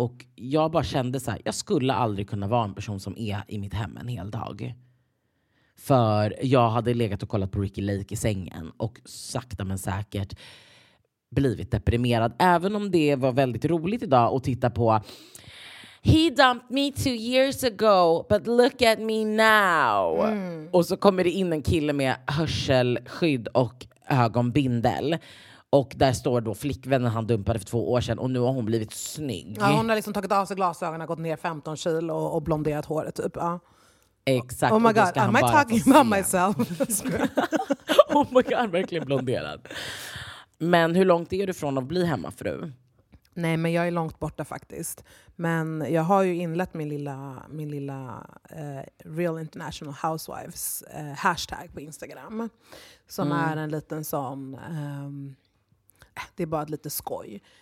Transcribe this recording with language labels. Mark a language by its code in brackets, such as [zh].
[sv] Och jag bara kände så här, jag skulle aldrig kunna vara en person som är i mitt hem en hel dag. För jag hade legat och kollat på Ricky Lake i sängen. Och sakta men säkert blivit deprimerad. Även om det var väldigt roligt idag att titta på. [en] He dumped me 2 years ago, but look at me now. [sv] Och så kommer det in en kille med hörselskydd och ögonbindel. Och där står då flickvännen han dumpade för 2 år sedan. Och nu har hon blivit snygg. Ja, hon har liksom tagit av sig glasögonen, gått ner 15 kilo och blonderat håret typ. Ja. Exakt. [en] Oh my god, am I talking about myself? Oh my god, [sv] verkligen blonderad. Men hur långt är du från att bli hemmafru? Nej, men jag är långt borta faktiskt. Men jag har ju inlett min lilla Real International Housewives hashtag på Instagram. Som är en liten sån, det är bara ett lite skoj.